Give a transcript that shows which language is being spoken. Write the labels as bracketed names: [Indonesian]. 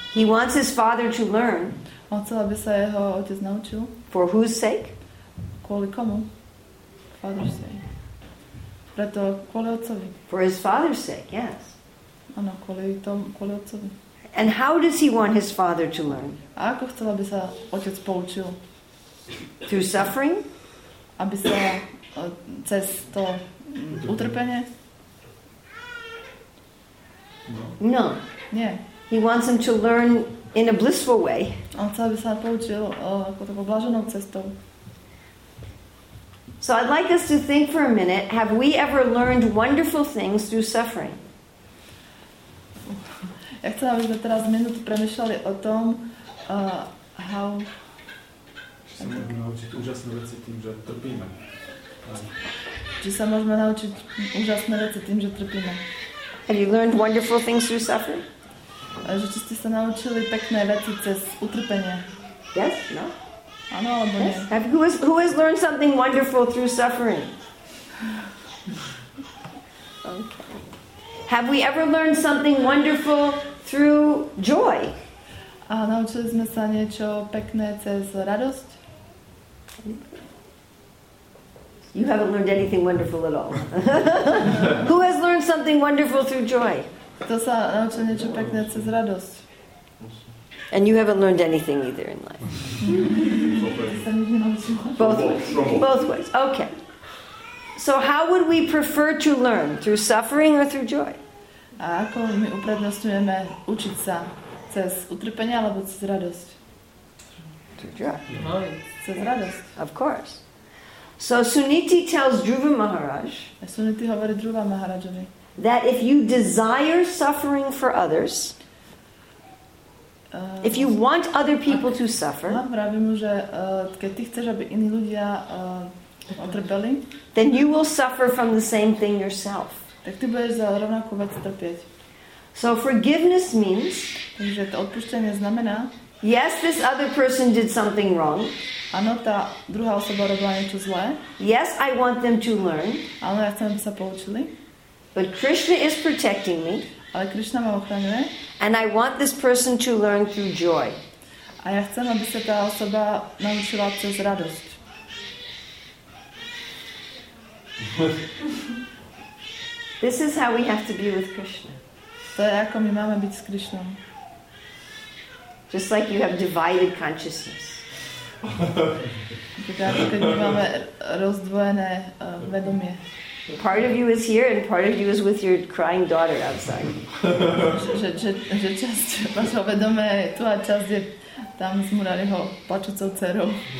[English] He wants his father to learn. [Slovak] On chcel, aby sa jeho otec naučil. [English] For whose sake? [Slovak] Kvôli komu? [English] Father's sake. [Slovak] Preto kvôli otcovi. [English] For his father's sake, yes. [Slovak] Ano, kvôli tomu, kvôli otcovi. [English] And how does he want his father to learn? [Slovak] A ako chcel, aby sa otec poučil? [English] Through suffering? [Slovak] Aby sa cez to utrpenie? [English] No. [Slovak] Nie. [English] He wants him to learn in a blissful way. [Slovak] On chcel, aby sa poučil ako takou blaženou cestou. [English] So I'd like us to think for a minute, have we ever learned wonderful things through suffering? [Slovak] Ja chcem, aby sme teraz minútu premyšľali o tom, [English] how... [Slovak] Či sa môžeme naučiť úžasné veci tým, že trpíme. Či sa môžeme naučiť úžasné veci tým, že trpíme. [English] Have you learned wonderful things through suffering? [Slovak] Že či ste sa naučili pekné veci cez utrpenie. [English] Yes, no. [Slovak] Ano, alebo [English] yes. [Slovak] Nie. [English] Have, who has learned something wonderful through suffering? Okay. Have we ever learned something wonderful through joy? [Slovak] A naučili sme sa niečo pekné cez radosť? [English] You haven't learned anything wonderful at all. Who has learned something wonderful through joy? [Slovak] Kto sa naučil niečo pekné cez radosť? [English] And you haven't learned anything either in life. Both ways. Okay. So how would we prefer to learn? Through suffering or through joy? [Slovak] A ako my uprednostňujeme učiť sa? Cez utrpenie alebo cez radosť? [English] Through joy. [Slovak] Cez radosť. [English] Of course. So Suniti tells Dhruva Maharaj, [Slovak] Suniti hovorí Dhruva Maharajovi, [English] that if you desire suffering for others, if you want other people to suffer, [Slovak] hovorí mu, že keď ty chceš, aby iní ľudia utrpeli, [English] then you will suffer from the same thing yourself. [Slovak] Tak ty budeš za rovnakú vec trpieť. [English] So forgiveness means, [Slovak] takže to odpustenie znamená, [English] yes, this other person did something wrong. [Slovak] Ano, tá druhá osoba robila niečo zlé. [English] Yes, I want them to learn. [Slovak] Ano, ja chcem, aby sa poučili. [English] But Krishna is protecting me. [Slovak] Ale Krishna ma ochraňuje. [English] And I want this person to learn through joy. [Slovak] A ja chcem, aby sa tá osoba naučila cez radosť. [English] This is how we have to be with Krishna. [Slovak] To je ako my máme byť s Krishnom. [English] Just like you have divided consciousness. [Slovak] Keď máme rozdvojené vedomie. [English] Part of you is here and part of you is with your crying daughter outside. [Slovak] Že časť vašho vedomia je tu a časť je tam s Murariho plačúcou dcerou.